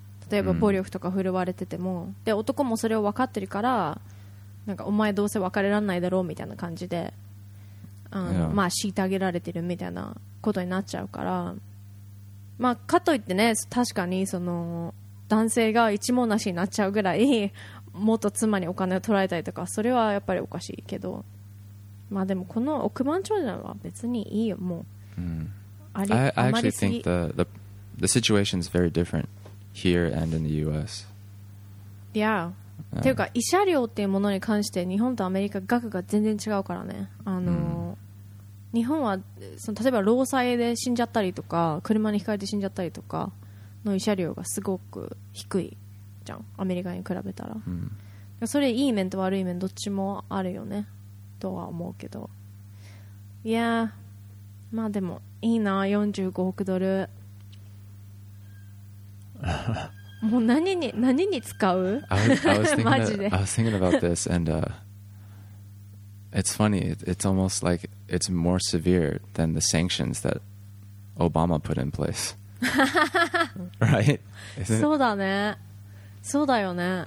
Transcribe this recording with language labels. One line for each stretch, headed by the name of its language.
Japanese: 例えば暴力とか振るわれてても、で男もそれを分かってるから、なんかお前どうせ別れられないだろうみたいな感じで、まあ敷いてあげられてるみたいなことになっちゃうから、まあかといってね、確かにその男性が一文無しになっちゃうぐらい、もっと妻にお金を取られたりとか、それはやっぱりおかしいけど、まあでもこの億万長者は別にいいよもう、ありあまりすぎ。
English: I actually think the situation is very different. Here and in the U.S. Yeah.
Japanese: ていうか、医者料っていうものに関して日本とアメリカ額が全然違うからね。日本はその例えば労災で死んじゃったりとか、車にひかれて死んじゃったりとかの医者料がすごく低いじゃん、アメリカに比べたら。それいい面と悪い面どっちもあるよねとは思うけど。いやまあでもいいな、45億ドル。もう何に使う？
English: I was thinking about this, and it's funny. It's almost like it's more severe than the sanctions that Obama put in place. Right?
Japanese: そうだね。そうだよね。